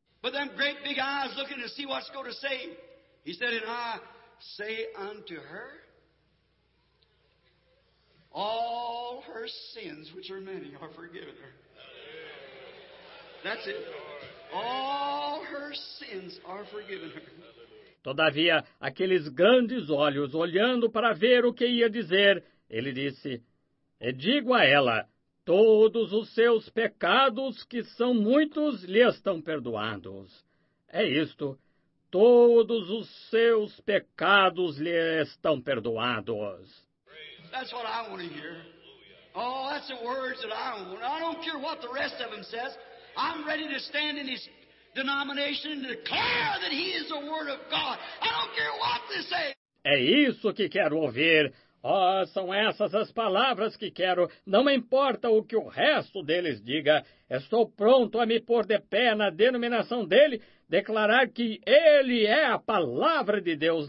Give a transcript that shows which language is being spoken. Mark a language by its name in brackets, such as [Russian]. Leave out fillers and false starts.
[English] But them great big eyes looking to see what's going to say. He said, and I say unto her, all her sins, which are many, are forgiven her. That's it. All her sins are forgiven her. [Portuguese] Todavia, aqueles grandes olhos olhando para ver o que ia dizer, ele disse, e digo a ela, todos os seus pecados, que são muitos, lhe estão perdoados. É isto, todos os seus pecados lhe estão perdoados. [English] That's what I want to hear. Oh, that's the words that I want. I don't care what the rest of them says. I'm ready to stand in his denomination and declare that he is the word of God. I don't care what they say. [Portuguese] É isso que quero ouvir. Oh, são essas as palavras que quero. Não importa o que o resto deles diga. Estou pronto a me pôr de pé na denominação dele, declarar que ele é a palavra de Deus.